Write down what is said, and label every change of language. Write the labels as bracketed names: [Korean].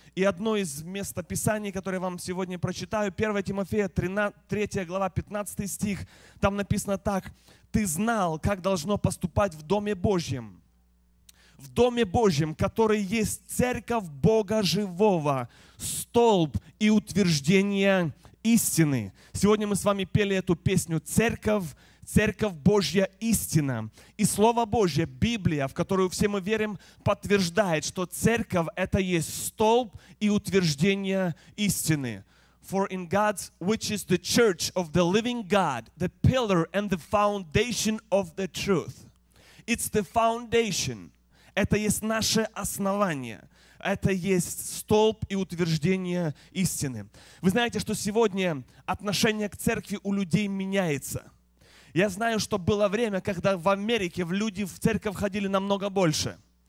[Russian] И одно из местописаний, которое я вам сегодня прочитаю, 1 Тимофея 3 глава 15 стих, там написано так: «Ты знал, как должно поступать в Доме Божьем, в Доме Божьем, который есть церковь Бога Живого, столб и утверждение истины». Сегодня мы с вами пели эту песню «Церковь, Церковь Божья истина». И Слово Божье, Библия, в которую все мы верим, подтверждает, что церковь – это есть столб и утверждение истины. [English] For in God, which is the church of the living God, the pillar and the foundation of the truth. It's the foundation. [Russian] Это есть наше основание. Это есть столб и утверждение истины. Вы знаете, что сегодня отношение к церкви у людей меняется. Я знаю, что было время, когда в Америке люди в церковь ходили намного больше.